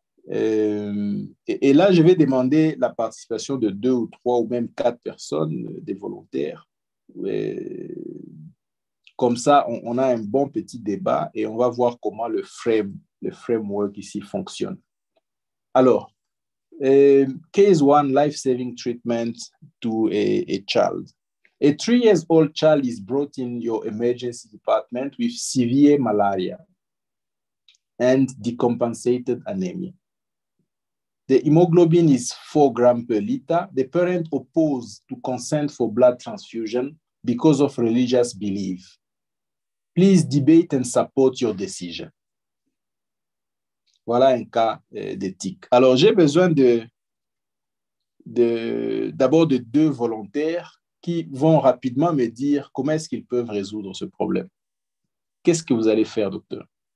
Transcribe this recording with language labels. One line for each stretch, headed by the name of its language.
French: Et là, je vais demander la participation de deux ou trois ou même quatre personnes, des volontaires. Comme ça, on a un bon petit débat et on va voir comment le framework ici fonctionne.
English: Alors, case one, life-saving treatment to a child. A three-year-old child is brought in your emergency department with severe malaria and decompensated anemia. The hemoglobin is 4 grams per liter. The parent opposed to consent for blood transfusion because of religious belief. Please debate and support your decision.
French: Voilà un cas d'éthique. Alors, j'ai besoin d'abord de deux volontaires qui vont rapidement me dire comment est-ce qu'ils peuvent résoudre ce problème. Qu'est-ce que vous allez faire, docteur?